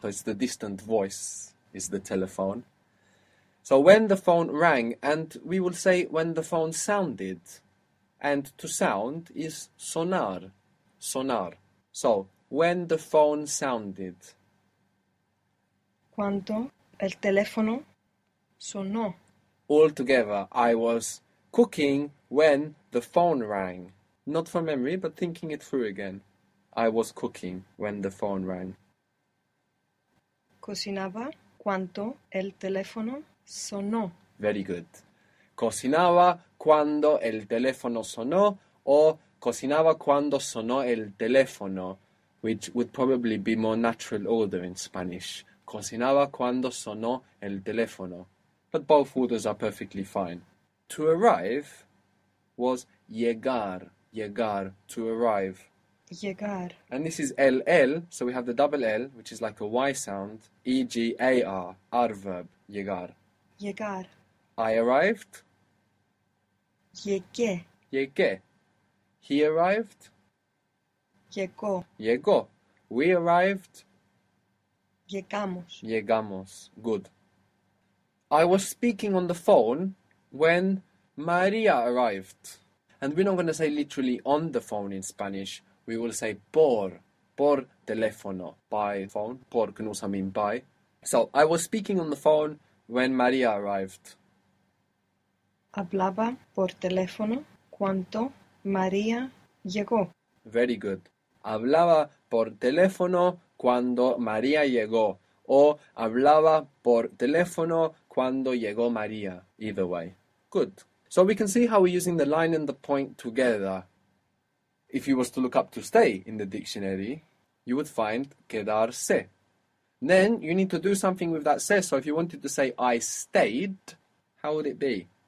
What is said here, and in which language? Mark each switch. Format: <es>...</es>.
<en>So it's the distant voice is the telephone. So when the phone rang, and we will say when the phone sounded, and to sound is sonar, sonar. So when the phone sounded.</en> <es>Cuando el teléfono sonó.</es> <en>Altogether, I was cooking when the phone rang. Not from memory, but thinking it through again. I was cooking when the phone rang.</en> <es>Cocinaba cuando el teléfono sonó.</es> <en>Very good.</en> <es>Cocinaba cuando el teléfono sonó,</es> <en>or</en> <es>cocinaba cuando sonó el teléfono,</es> <en>which would probably be more natural order in Spanish.</en> <es>Cocinaba cuando sonó el teléfono.</es> <en>But both orders are perfectly fine. To arrive was llegar, llegar, to arrive.</en> <es>Llegar.</es> <en>And this is LL, so we have the double L, which is like a Y sound, EGAR, our verb, llegar.</en> <es>Llegar.</es> <en>I arrived.</en> <es>Llegué. Llegué.</es> <en>He arrived.</en> <es>Llegó. Llegó.</es> <en>We arrived.</en> <es>Llegamos. Llegamos. Good.</es> <en>I was speaking on the phone when Maria arrived. And we're not going to say literally on the phone in Spanish. We will say</en> <es>por teléfono,</es> <en>by phone. Por can also mean by. So, I was speaking on the phone when Maria arrived.</en> <es>Hablaba por teléfono cuando María llegó.</es> <en>Very good.</en> <es>Hablaba por teléfono cuando Maria llegó. O hablaba por teléfono cuando llegó María.</es> <en>Either way. Good. So we can see how we're using the line and the point together. If you was to look up to stay in the dictionary, you would find quedarse. Then you need to do something with that se. So if you wanted to say I stayed, how would it be?</en>